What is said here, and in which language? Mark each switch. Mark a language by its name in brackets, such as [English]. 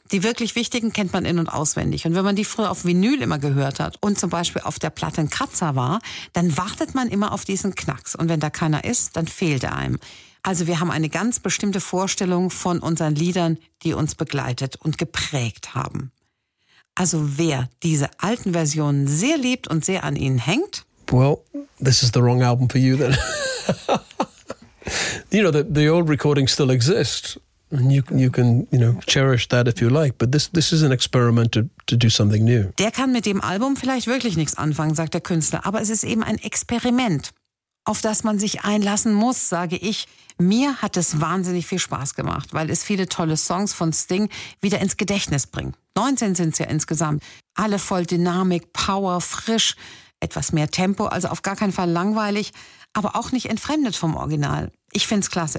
[German] Die wirklich wichtigen kennt man in- und auswendig. Und wenn man die früher auf Vinyl immer gehört hat und zum Beispiel auf der Platte ein Kratzer war, dann wartet man immer auf diesen Knacks. Und wenn da keiner ist, dann fehlt er einem. Also wir haben eine ganz bestimmte Vorstellung von unseren Liedern, die uns begleitet und geprägt haben. Also wer diese alten Versionen sehr liebt und sehr an ihnen hängt? [English] Well, this is the wrong album for you then. You know, the old recordings still exist. And you can, you know, cherish that if you like. But this is an experiment to do something new. [German] Der kann mit dem Album vielleicht wirklich nichts anfangen, sagt der Künstler. Aber es ist eben ein Experiment, auf das man sich einlassen muss, sage ich. Mir hat es wahnsinnig viel Spaß gemacht, weil es viele tolle Songs von Sting wieder ins Gedächtnis bringt. 19 sind es ja insgesamt. Alle voll Dynamik, Power, frisch, etwas mehr Tempo, also auf gar keinen Fall langweilig, aber auch nicht entfremdet vom Original. Ich finde es klasse.